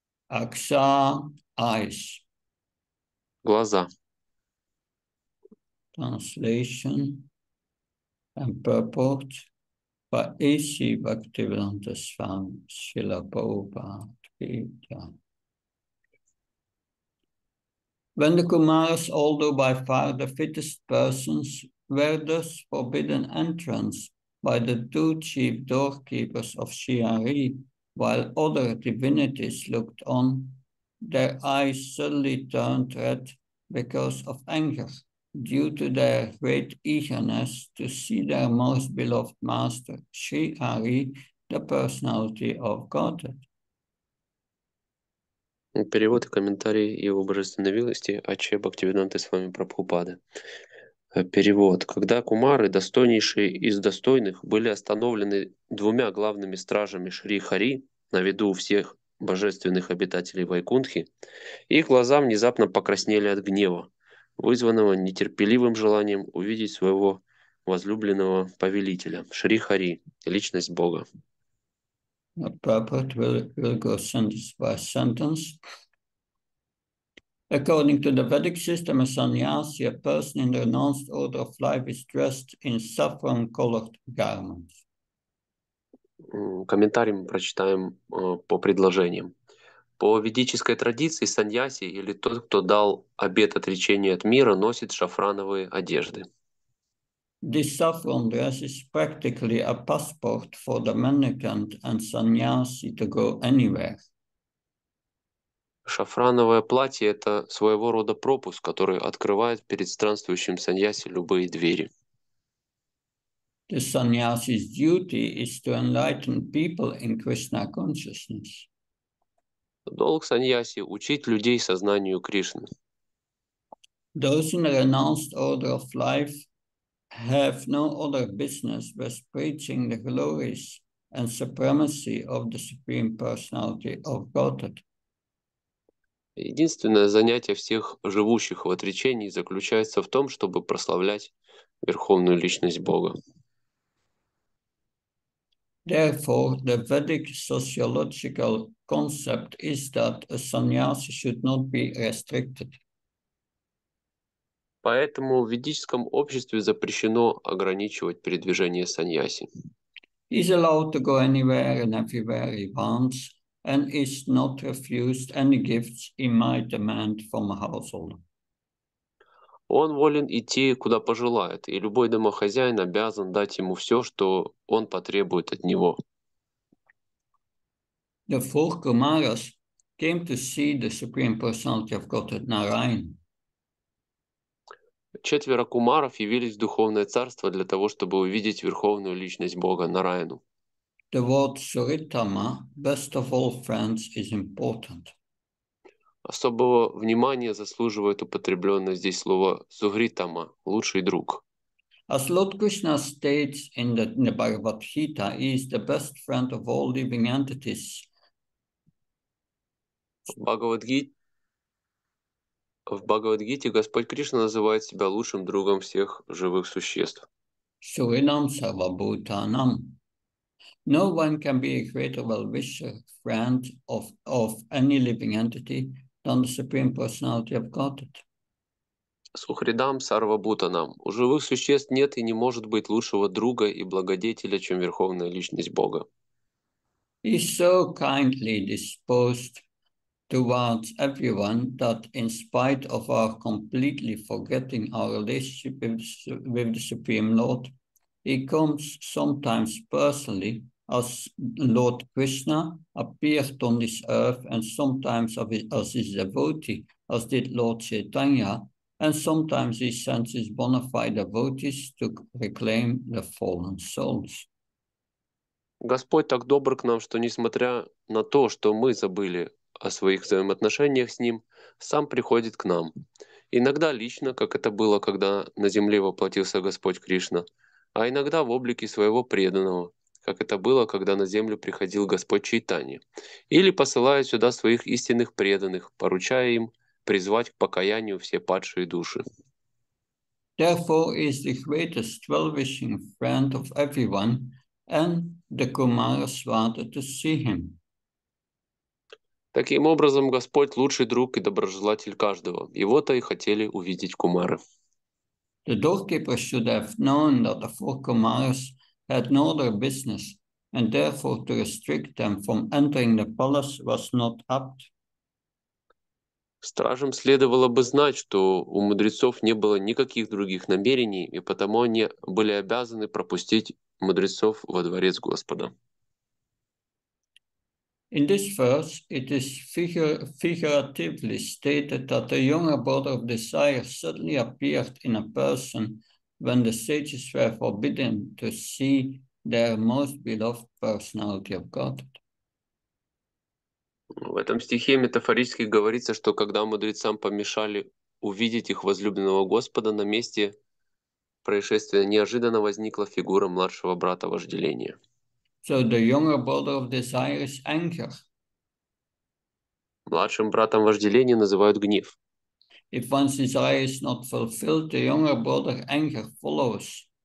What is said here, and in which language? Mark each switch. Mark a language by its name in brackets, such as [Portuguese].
[English] aksha, eyes. [Russian] Глаза. [English] Translation and purport. [Russian] Паиси Бхактивиданта Свами Шрила Прабхупада Гита. [English] When the Kumaras, although by far the fittest persons, were thus forbidden entrance by the two chief doorkeepers of Shihari, while other divinities looked on, their eyes suddenly turned red because of anger, due to their great eagerness to see their most beloved master, Sri Hari, the personality of Godhead. [Russian] Перевод и комментарии его божественной милости Ачхе Бхактивиданты Свами Прабхупады. Перевод. Когда кумары, достойнейшие из достойных, были остановлены двумя главными стражами Шри Хари на виду у всех божественных обитателей Вайкунтхи, их глаза внезапно покраснели от гнева, вызванного нетерпеливым желанием увидеть своего возлюбленного повелителя, Шри Хари, личность Бога. [English] The purport will go sentence by sentence. According to the Vedic system, a sannyasi, a person in the renounced order of life, is dressed in saffron-colored garments. [Russian] Комментарий мы прочитаем по предложениям. По ведической традиции саньяси, или тот, кто дал обет отречения от мира, носит шафрановые одежды. [English] This saffron dress is practically a passport for the mendicant and sannyasi to go anywhere. [Russian] Шафрановое платье – это своего рода пропуск, который открывает перед странствующим саньяси любые двери. [English] The sannyasi's duty is to enlighten people in Krishna consciousness. [Russian] Долг саньяси – учить людей сознанию Кришны. [English] Those in a renounced order of life have no other business but preaching the glories and supremacy of the Supreme Personality of Godhead. [Russian] Единственное занятие всех живущих в отречении заключается в том, чтобы прославлять Верховную Личность Бога. [English] Therefore, the Vedic sociological concept is that a sannyasi should not be restricted. [Russian] Поэтому в ведическом обществе запрещено ограничивать передвижение саньяси. [English] He's allowed to go anywhere and everywhere he wants, and is not refused any gifts he might demand from a household. [Russian] Он волен идти, куда пожелает, и любой домохозяин обязан дать ему все, что он потребует от него. [English] The four Kumaras came to see the Supreme Personality of Godhead Narayan. [Russian] Четверо кумаров явились в Духовное Царство для того, чтобы увидеть Верховную Личность Бога Нараяну. [English] The word Suritama, best of all friends, is important. [Russian] Особого внимания заслуживает употребленное здесь слово Сугритама, лучший друг. [English] As Lord Krishna states in the Bhagavad Gita, he is the best friend of all living entities. [Russian] В Бхагавадгите Господь Кришна называет себя лучшим другом всех живых существ. [Sanskrit] Суринам сарвабутанам. [English] No one can be a greater well-wisher friend of any living entity than the Supreme Personality of Godhead. [Sanskrit] Сухридам сарвабутанам. [Russian] У живых существ нет и не может быть лучшего друга и благодетеля, чем Верховная Личность Бога. [English] He is so kindly disposed towards everyone that in spite of our completely forgetting our relationship with the Supreme Lord, he comes sometimes personally as Lord Krishna, appeared on this earth, and sometimes as his devotee, as did Lord Chaitanya, and sometimes he sends his bona fide devotees to reclaim the fallen souls. [Russian] Господь так добр к нам, что несмотря на то, что мы забыли о своих взаимоотношениях с Ним, Сам приходит к нам. Иногда лично, как это было, когда на земле воплотился Господь Кришна, а иногда в облике Своего преданного, как это было, когда на землю приходил Господь Чайтанья, или посылая сюда Своих истинных преданных, поручая им призвать к покаянию все падшие души. [English] Therefore is the greatest well-wishing friend of everyone, and the Kumaras wanted to see him. [Russian] Таким образом, Господь – лучший друг и доброжелатель каждого. Его-то и хотели увидеть кумары. [English] The doorkeeper should have known that the four Kumaras had no other business, and therefore to restrict them from entering the palace was not apt. [Russian] Стражам следовало бы знать, что у мудрецов не было никаких других намерений, и потому они были обязаны пропустить мудрецов во дворец Господа. [English] In this verse, it is figuratively stated that the younger brother of desire suddenly appeared in a person when the sages were forbidden to see their most beloved personality of God. [Russian] В этом стихе метафорически говорится, что когда мудрецам помешали увидеть их возлюбленного Господа, на месте происшествия неожиданно возникла фигура младшего брата вожделения. [English] So the younger brother of desire is anger. [Russian] Младшим братом вожделения называют гнев. [English] If one's desire is not fulfilled, the younger brother anger follows.